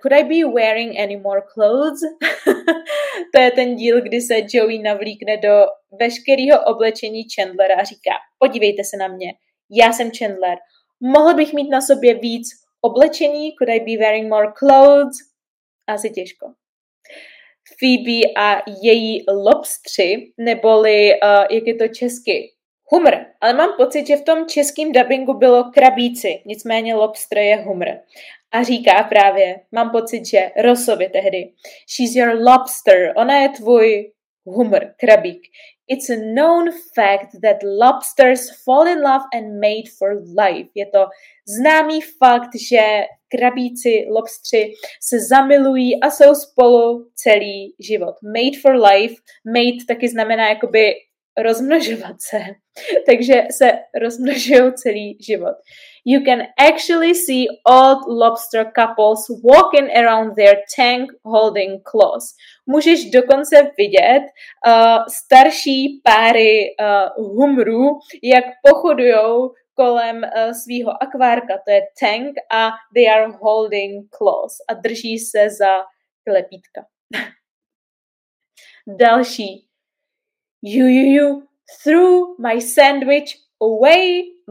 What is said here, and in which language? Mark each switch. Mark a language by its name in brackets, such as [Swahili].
[English] Could I be wearing any more clothes? [Czech] To je ten díl, kdy se Joey navlíkne do veškerého oblečení Chandlera a říká, podívejte se na mě, já jsem Chandler. Mohl bych mít na sobě víc oblečení? [English] Could I be wearing more clothes? [Czech] Asi těžko. Phoebe a její lobstři, neboli, jak je to česky, humr. Ale mám pocit, že v tom českým dabingu bylo krabíci, nicméně lobstr je humr. A říká právě, mám pocit, že Rosovi tehdy. [English] She's your lobster, [Czech] ona je tvůj humr, krabík. [English] It's a known fact that lobsters fall in love and mate for life. [Czech] Je to známý fakt, že krabíci, lobstři se zamilují a jsou spolu celý život. [English] Mate for life, [Czech] mate taky znamená jakoby rozmnožovat se. Takže se rozmnožují celý život. [English] You can actually see old lobster couples walking around their tank holding claws. [Czech] Můžeš dokonce vidět starší páry humrů, jak pochodují kolem svého akvárka, to je tank, a [English] they are holding claws [Czech] a drží se za klepítka. Další. [English] You threw my sandwich away.